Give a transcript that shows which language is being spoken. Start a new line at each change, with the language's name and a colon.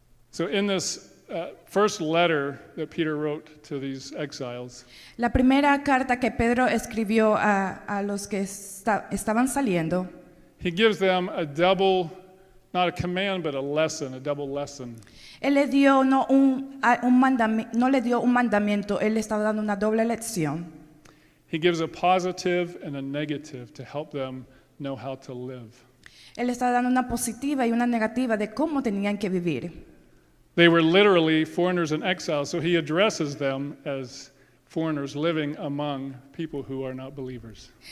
English: So in this first letter that Peter wrote to these exiles.
Spanish: La primera carta que Pedro escribió a los que estaban saliendo.
English: He gives them a double, not a command, but a lesson, a double lesson.
Spanish: Él le dio no le dio un mandamiento, él le estaba dando una doble lección.
English: He gives a positive and a negative to help them know how to live.
Spanish: Él estaba dando una positiva y una negativa de cómo tenían que vivir.
English: They were literally foreigners and exiles, so he addresses them as foreigners living among people who are not believers.